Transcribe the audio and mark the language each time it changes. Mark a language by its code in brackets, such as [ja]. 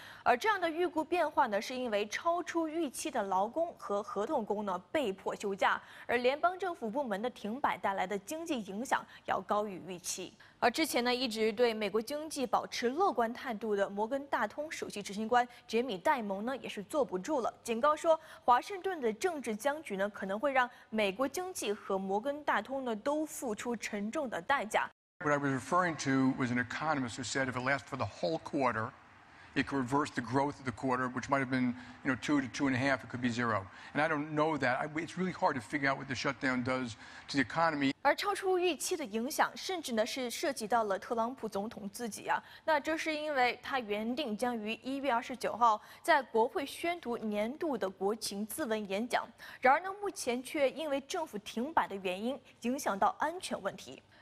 [zh] 而这样的预估变化呢，是因为超出预期的劳工和合同工呢被迫休假，而联邦政府部门的停摆带来的经济影响要高于预期。而之前呢，一直对美国经济保持乐观态度的摩根大通首席执行官杰米·戴蒙呢，也是坐不住了，警告说，华盛顿的政治僵局呢，可能会让美国经济和摩根大通呢都付出沉重的代价。 [en] What I was referring to was an economist who said if it lasts for the whole quarter. It could reverse the growth of the quarter, which might have been, you know, 2 to 2.5. It could be 0. And I don't know that. It's really hard to figure out what the shutdown does to the economy. [zh] 而超出预期的影响，甚至呢是涉及到了特朗普总统自己啊。那这是因为他原定将于1月29号在国会宣读年度的国情咨文演讲，然而呢，目前却因为政府停摆的原因，影响到安全问题。